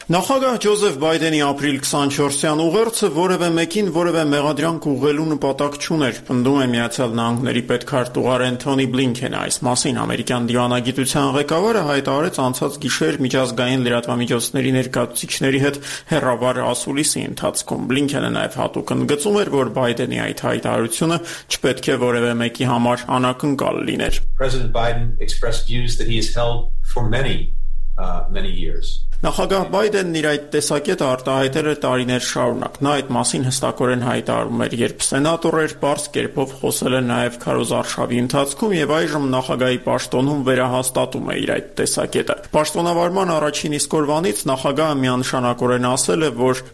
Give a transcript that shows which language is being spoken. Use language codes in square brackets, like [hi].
[hy] Նախագահ Ջոզեֆ Բայդենի ապրիլ 24-յան ուղերձը որևէ մեկին որևէ մեղադրանք ուղղելու նպատակ չուներ, պնդում է Միացյալ Նահանգների պետքարտուղար Էնթոնի Բլինքենը։ Այս մասին ամերիկյան դիվանագիտության ղեկավարը հայտարարեց անցած գիշեր միջազգային լրատվամիջոցների ներկայացուցիչների հետ հեռավար ասուլիսի ընթացքում։ Բլինքենը նաև հատուկ ընդգծում էր, որ Բայդենի այդ հայտարարությունը չպետք է որևէ մեկի համար անակնկալ լիներ։ [en] President Biden expressed views that he has held for many, many years. [hy] Նախագահ Բայդենն իր այդ տեսակետը արտահայտել է տարիներ շարունակ։ Նա այդ մասին հստակորեն հայտարարում էր, երբ սենատորը պարզ կերպով խոսել է նաև քարոզարշավի ընթացքում, և այժմ նախագահի պաշտոնում վերահաստատում է իր այդ տեսակետը։ Պաշտոնավարման առաջին իսկ օրվանից նախագահը միանշանակորեն ասել է, որ